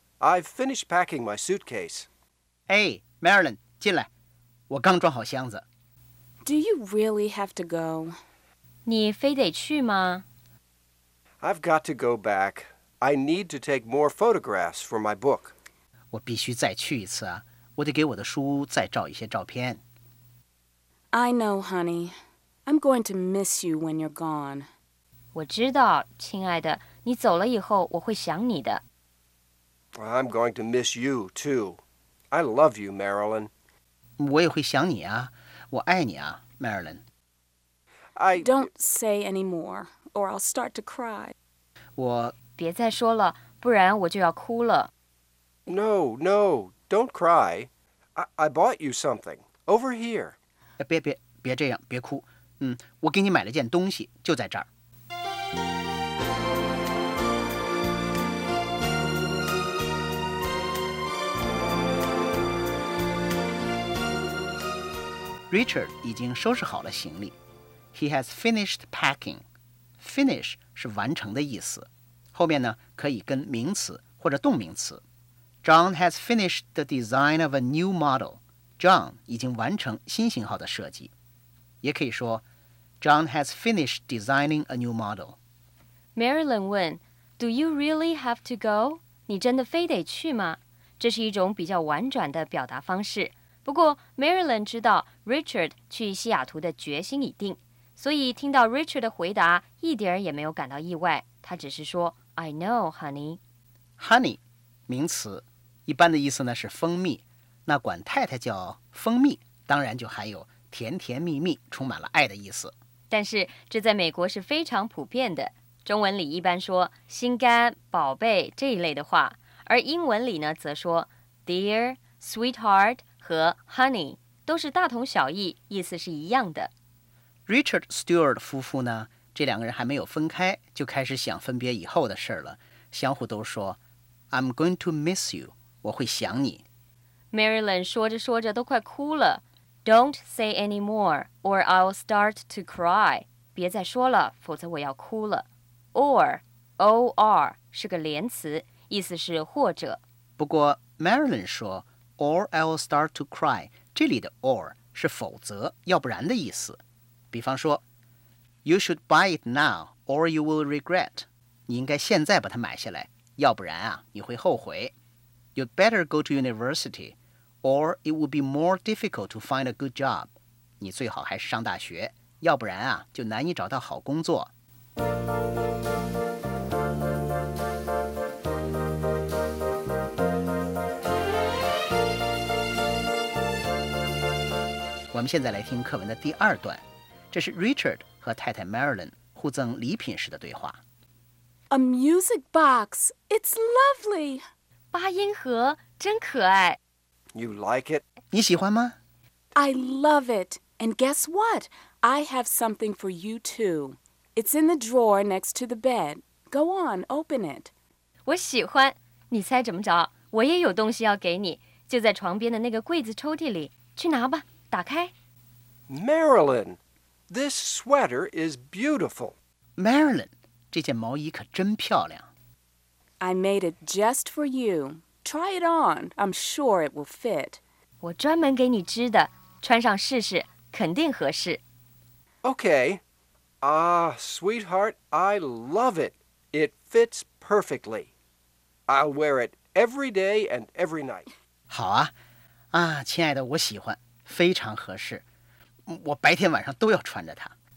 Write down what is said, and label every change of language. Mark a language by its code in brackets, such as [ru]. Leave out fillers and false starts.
[en] I've finished packing my suitcase. [zh] Hey, Marilyn, 进来，我刚装好箱子。 [en] Do you really have to go? [zh] 你非得去吗？ [en] I've got to go back. I need to take more photographs for my book. [zh] 我必须再去一次啊！我得给我的书再照一些照片。 [en] I know, honey. I'm going to miss you when you're gone. [zh] 我知道，亲爱的，你走了以后我会想你的。 [en] I'm going to miss you, too. I love you, Marilyn. [zh] 我也会想你啊，我爱你啊，Marilyn. [en] I... Don't say any more, or I'll start to cry. [zh] 我别再说了，不然我就要哭了。 [en] No, no, don't cry. I bought you something. Over here. [zh] 别这样，别哭。我给你买了件东西，就在这儿。 Richard 已经收拾好了行李。 [en] He has finished packing. [zh] Finish 是完成的意思。后面呢，可以跟名词或者动名词。 [en] John has finished the design of a new model. [zh] John 已经完成新型号的设计。也可以说 [en] John has finished designing a new model. Marilyn 问 Do you really have to go? [zh] 你真的非得去吗？这是一种比较婉转的表达方式。不过 Marilyn 知道 Richard 去西雅图的决心已定，所以听到 Richard 的回答一点也没有感到意外。他只是说 [en] I know, honey. [zh] Honey名词，一般的意思呢是蜂蜜，那管太太叫蜂蜜，当然就含有甜甜蜜蜜，充满了爱的意思。但是这在美国是非常普遍的，中文里一般说心肝、宝贝这一类的话，而英文里呢则说 dear、sweetheart 和 honey 都是大同小异，意思是一样的。 Richard Stewart 夫妇呢，这两个人还没有分开，就开始想分别以后的事了，相互都说 [en] I'm going to miss you. [zh] 我会想你。 Marilyn 说着说着都快哭了。 [en] Don't say any more, or I'll start to cry. [zh] 别再说了，否则我要哭了。Or 是个连词，意思是或者。不过 [en] Marilyn 说 or I'll start to cry. [zh] 这里的 or 是否则，要不然的意思。比方说 [en] ，You should buy it now, or you will regret. [zh] 你应该现在把它买下来。要不然啊，你会后悔。 [en] You'd better go to university, or it would be more difficult to find a good job. [zh] 你最好还是上大学，要不然啊，就难以找到好工作。我们现在来听课文的第二段，这是 Richard 和太太 Marilyn 互赠礼品时的对话。 [en] A music box. It's lovely. [zh] 八音盒真可爱。 [en] You like it? [zh] 你喜欢吗？ [en] I love it. And guess what? I have something for you too. It's in the drawer next to the bed. Go on, open it. [zh] 我喜欢。你猜怎么着？我也有东西要给你，就在床边的那个柜子抽屉里。去拿吧，打开。 [en] Marilyn, this sweater is beautiful. [zh] Marilyn. 这件毛衣可真漂亮。 [en] I made it just for you. Try it on. I'm sure it will fit. [zh] 我专门给你织的，穿上试试，肯定合适。 [en] Okay. Ah, sweetheart, I love it. It fits perfectly. I'll wear it every day and every night. [zh] 好啊，啊，亲爱的，我喜欢，非常合适。我白天晚上都要穿着它。